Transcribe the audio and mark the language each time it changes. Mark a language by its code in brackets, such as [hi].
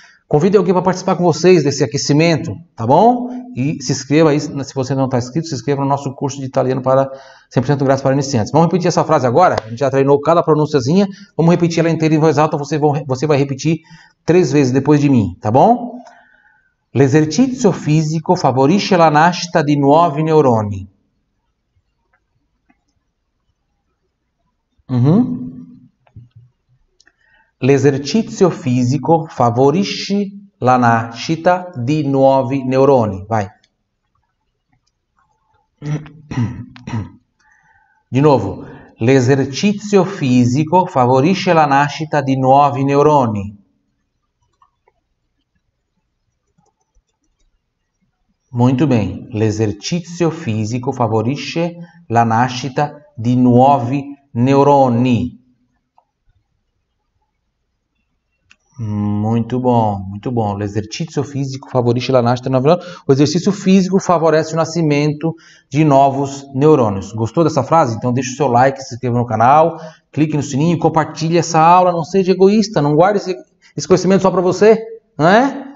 [pt] Convido alguém para participar com vocês desse aquecimento, tá bom? E se inscreva aí, se você não está inscrito, se inscreva no nosso curso de italiano para 100% grátis para iniciantes. Vamos repetir essa frase agora? A gente já treinou cada pronunciazinha. Vamos repetir ela inteira em voz alta. Você vai repetir 3 vezes depois de mim, tá bom? [it] L'esercizio fisico favorisce la nascita di nuovi neuroni. Uhum. L'esercizio fisico favorisce la nascita di nuovi neuroni. Vai. Di nuovo. L'esercizio fisico favorisce la nascita di nuovi neuroni. Molto bene. L'esercizio fisico favorisce la nascita di nuovi neuroni. [pt] Muito bom, muito bom. O exercício físico favorece a nascita de novos neurônios. O exercício físico favorece o nascimento de novos neurônios. Gostou dessa frase? Então deixa o seu like, se inscreva no canal, clique no sininho, compartilhe essa aula. Não seja egoísta, não guarde esse conhecimento só para você. Né?